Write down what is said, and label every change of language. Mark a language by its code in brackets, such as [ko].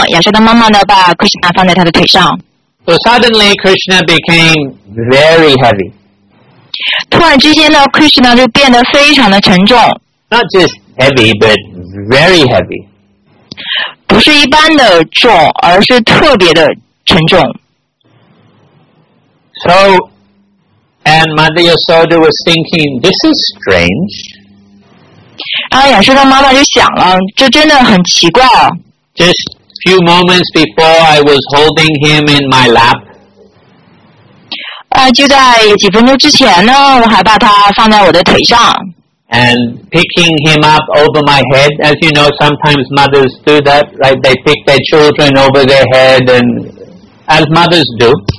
[zh] 那就像平时一样，亚瑟的妈妈呢，把Krishna放在他的腿上。 [en] So suddenly Krishna became very heavy. [zh] 突然之间呢，Krishna就变得非常的沉重。 [en] Not just heavy, but very heavy. [zh] 不是一般的重，而是特别的沉重。 [en] So, and Mother Yasoda was thinking, this is strange. [zh] 亚瑟的妈妈就想了，这真的很奇怪。 [en] Just few moments before I was holding him in my lap. [zh] 就在几分钟之前呢，我还把他放在我的腿上。 [en] And picking him up over my head, as you know, sometimes mothers do that, right? They pick their children over their head, and as mothers do.